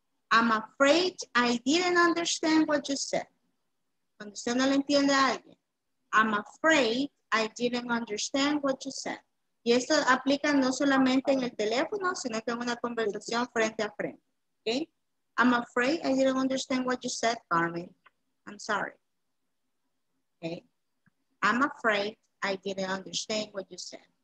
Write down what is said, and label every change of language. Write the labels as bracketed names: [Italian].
[English] I'm afraid I didn't understand what you said. [Spanish] Cuando usted no le entiende a alguien. [English] I'm afraid I didn't understand what you said. [Spanish] Y esto aplica no solamente en el teléfono, sino que en una conversación frente a frente. [English] Okay? I'm afraid I didn't understand what you said, Carmen. I'm sorry. Okay. I'm afraid I didn't understand what you said.